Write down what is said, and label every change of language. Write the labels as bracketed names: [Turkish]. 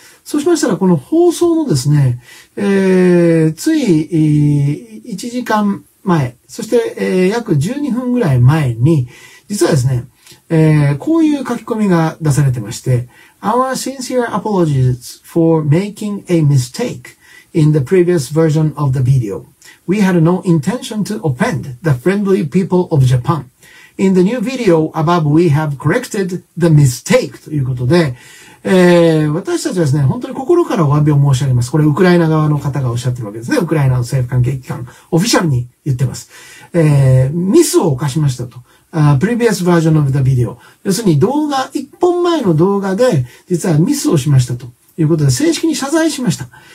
[Japanese] そうしましたら、この放送のですね、つい1時間前、そして、約12分ぐらい前に、実はですね、こういう書き込みが出されてまして、 [English] Our sincere apologies for making a mistake in the previous version of the video. We had no intention to offend the friendly people of Japan. In the new video above, we have corrected the mistake. [Japanese] ということで、私たちはですね、本当に心からお詫びを申し上げます。これ、ウクライナ側の方がおっしゃってるわけですね。ウクライナの政府関係機関、オフィシャルに言ってます。ミスを犯しましたと。 [English] previous version of the video。 [Japanese] 要するに動画、一本前の動画で実はミスをしましたということで正式に謝罪しました。